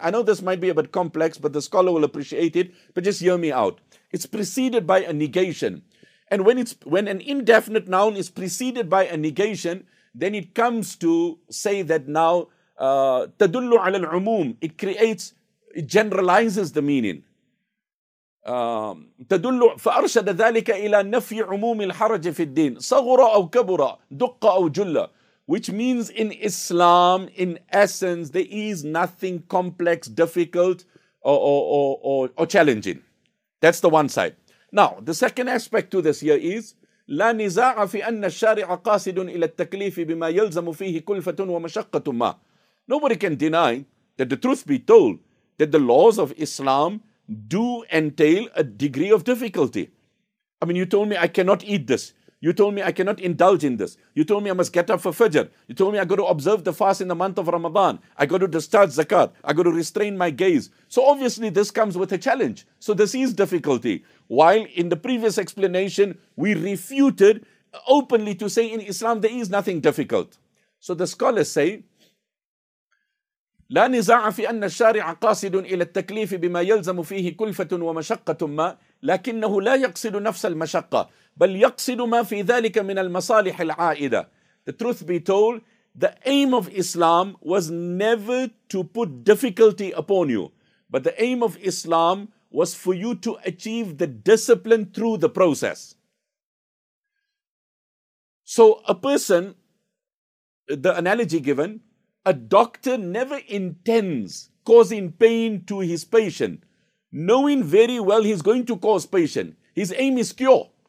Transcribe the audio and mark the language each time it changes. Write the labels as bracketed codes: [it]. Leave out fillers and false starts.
[en] I know this might be a bit complex, but the scholar will appreciate it, but just hear me out. It's preceded by a negation. And when an indefinite noun is preceded by a negation, then it comes to say that now, [ar] تَدُلُّ عَلَى الْعُمُومِ. [en] It creates, it generalizes the meaning. [ar] تدل فأرشد ذلك إلى نفي عموم الحرج في الدين صغرا أو كبرا دقة أو جلة. [en] Which means in Islam, in essence, there is nothing complex, difficult or challenging. That's the one side. Now, the second aspect to this here is [ar] لا نزاع في أن الشارع قاصد إلى التكليف بما يلزم فيه كلفة ومشقة ما. [en] Nobody can deny that, the truth be told, that the laws of Islam do entail a degree of difficulty. I mean, you told me I cannot eat this. You told me I cannot indulge in this. You told me I must get up for Fajr. You told me I got to observe the fast in the month of Ramadan. I got to discharge zakat. I got to restrain my gaze. So obviously this comes with a challenge. So this is difficulty. While in the previous explanation, we refuted openly to say in Islam there is nothing difficult. So the scholars say, [ar] لا نزاع في أن الشارع قاصد إلى التكليف بما يلزم فيه كلفة ومشقة ما لكنه لا يقصد نفس المشقة بل يقصد ما في ذلك من المصالح العائدة. [en] The truth be told, the aim of Islam was never to put difficulty upon you, but the aim of Islam was for you to achieve the discipline through the process. So a person, the analogy given, a doctor never intends causing pain to his patient, knowing very well he's going to cause pain. His aim is cure.